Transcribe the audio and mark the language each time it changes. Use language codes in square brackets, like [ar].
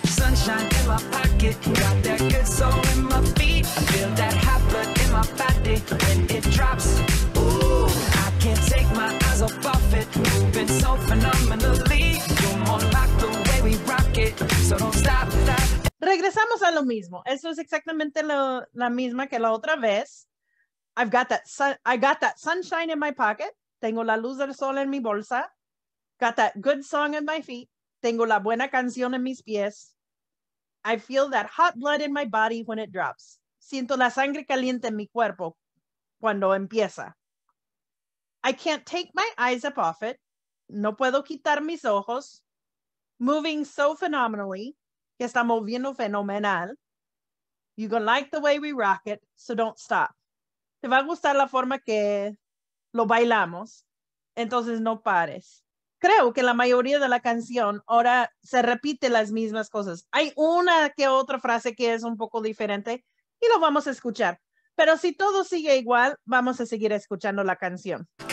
[en] Sunshine in my pocket, got that good soul in my feet. I feel that hot blood in my body when it drops. Ooh, I can't take my eyes off of it. Moving so phenomenally. Come on, rock the way we rock it. So don't stop that. [es] Regresamos a lo mismo. Eso es exactamente la misma que la otra vez. [en] I've got that I got that sunshine in my pocket. [es] Tengo la luz del sol en mi bolsa. [en] Got that good song in my feet. [es] Tengo la buena canción en mis pies. [en] I feel that hot blood in my body when it drops. [es] Siento la sangre caliente en mi cuerpo cuando empieza. [en] I can't take my eyes up off it. [es] No puedo quitar mis ojos. [en] Moving so phenomenally. [es] Que está moviendo fenomenal. [en] You're gonna like the way we rock it, so don't stop. [es] Te va a gustar la forma que lo bailamos. Entonces no pares. Creo que la mayoría de la canción ahora se repite las mismas cosas. Hay una que otra frase que es un poco diferente y lo vamos a escuchar. Pero si todo sigue igual, vamos a seguir escuchando la canción.